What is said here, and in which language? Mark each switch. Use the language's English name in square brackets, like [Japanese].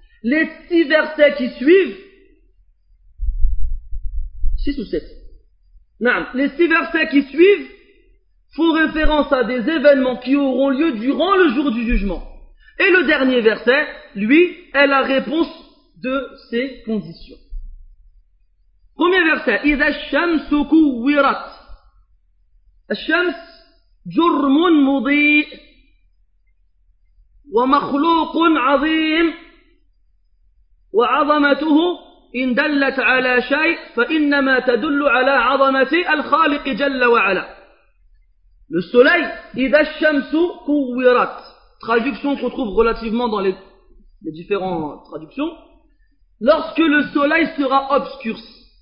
[French] Les 6 versets qui suivent, 6 ou 7, non, les 6 versets qui suivent font référence à des événements qui auront lieu durant le jour du jugement. Et le dernier verset, lui, est la réponse de ces conditions. Premier verset, [Arabic] « إِذَا الشَّمْسُ كُوِّرَتْ » الشمس جرم مضيء ومخلوق عظيم وعظمته إن دلت على شيء فإنما تدل على عظمة الخالق جل وعلا. [French] Le soleil, « [Arabic] إِذَا الشَّمْسُ كُوِّرَتْ [French] » Traduction qu'on trouve relativement dans les différentes traductions. Lorsque le soleil sera obscurci.